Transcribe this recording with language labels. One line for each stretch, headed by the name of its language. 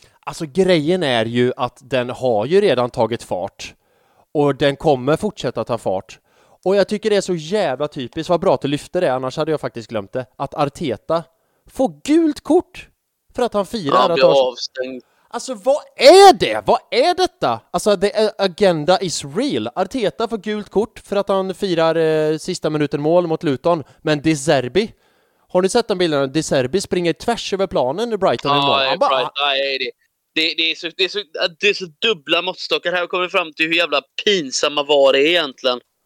Swedish: Alltså grejen är ju att den har ju redan tagit fart och den kommer fortsätta ta fart. Och jag tycker det är så jävla typiskt. Vad bra att du lyfter det, annars hade jag faktiskt glömt det. Att Arteta får gult kort för att han firar. Han blir avstängd. Alltså, vad är det? Vad är detta?
English: Alltså, the agenda is real.
Swedish: Arteta får gult kort för att han firar sista minuten mål mot Luton. Men De Zerbi, har ni sett den bilden? De Zerbi springer tvärs över planen i Brighton. Ja, det är så dubbla måttstockar. Här kommer vi fram till hur jävla pinsamma var det egentligen.